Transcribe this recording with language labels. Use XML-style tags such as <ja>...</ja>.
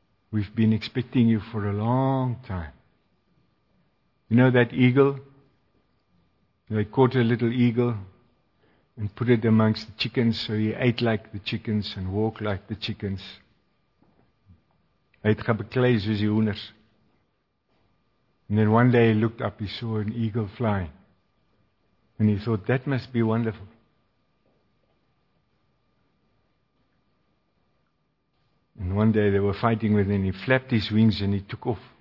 <en>We've been expecting you for a long time. You know that eagle? They caught a little eagle and put it amongst the chickens. So he ate like the chickens and walked like the chickens.</en> <af>Hy het gebeklei soos die hoenders.</af> <en>And then one day he looked up, he saw an eagle flying. And he thought, that must be wonderful. And one day they were fighting with him, and he flapped his wings and he took off.</en>